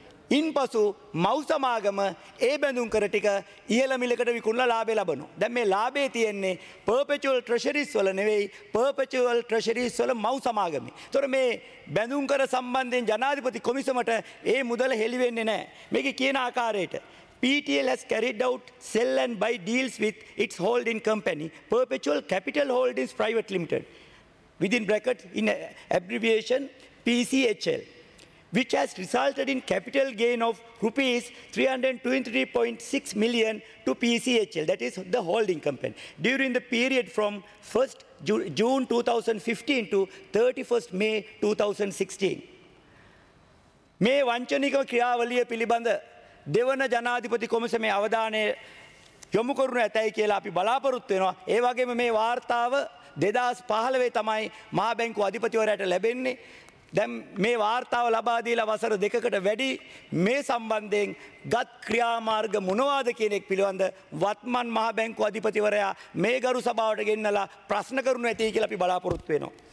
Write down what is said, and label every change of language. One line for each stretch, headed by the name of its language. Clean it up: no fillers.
Sinhala: ඉන්පසු මෞසමාගම ඒ බැඳුම් කර ටික ඉහළ මිලකට විකුණලා ලාභේ ලබනු. දැන් මේ ලාභේ තියෙන්නේ perpetual treasuries වල නෙවෙයි, perpetual treasuries වල මෞසමාගමේ. ඒතොර මේ බැඳුම් කර සම්බන්ධයෙන් ජනාධිපති කොමිසමට ඒ මුදල හෙළි වෙන්නේ නැහැ. මේකේ කියන ආකාරයට
English: PTL has carried out sell and buy deals with its holding company perpetual capital holdings private limited within bracket in abbreviation PCHL, which has resulted in capital gain of rupees 323.6 million to PCHL, that is the holding company, during the period from 1st June 2015 to 31st May 2016.
Sinhala: මේ වංචනික ක්‍රියාවලිය පිළිබඳ දෙවන ජනාධිපති කොමිසමේ අවධානය යොමු කරනු ඇතැයි කියලා අපි බලාපොරොත්තු වෙනවා. ඒ වගේම මේ වාර්තාව 2015 තමයි මහා බැංකු අධිපතිවරයාට ලැබෙන්නේ. දැන් මේ වාර්තාව ලබා දීලා වසර දෙකකට වැඩි මේ සම්බන්ධයෙන් ගත් ක්‍රියාමාර්ග මොනවාද කියන එක පිළිබඳ වත්මන් මහා බැංකු අධිපතිවරයා මේ ගරු සභාවට ගෙන්නලා ප්‍රශ්න කරනු ඇතී කියලා අපි බලාපොරොත්තු වෙනවා.